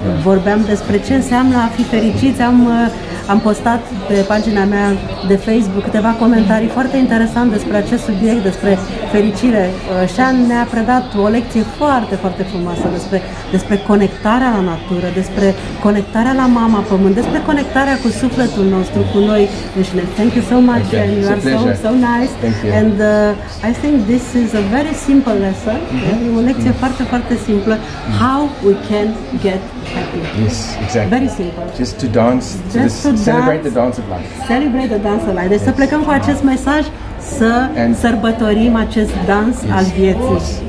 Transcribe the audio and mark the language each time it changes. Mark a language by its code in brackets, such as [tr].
[ro] Vorbeam despre ce înseamnă a fi fericiți, am postat pe pagina mea de Facebook câteva comentarii foarte interesante despre acest subiect, despre fericire. Sean ne-a predat o lecție foarte, foarte frumoasă despre conectarea la natură, despre conectarea la mama pământ, despre conectarea cu sufletul nostru, cu noi. [en] Thank you so much, and you are so nice. Thank you. And I think this is a very simple lesson, [ro] o lecție foarte, foarte simplă, [en] how we can get happy. Yes, exactly. Very simple. Just to dance, celebrate the dance of life. Celebrate the dance of life. [ro] Deci să plecăm cu acest mesaj, să sărbătorim acest dans al vieții.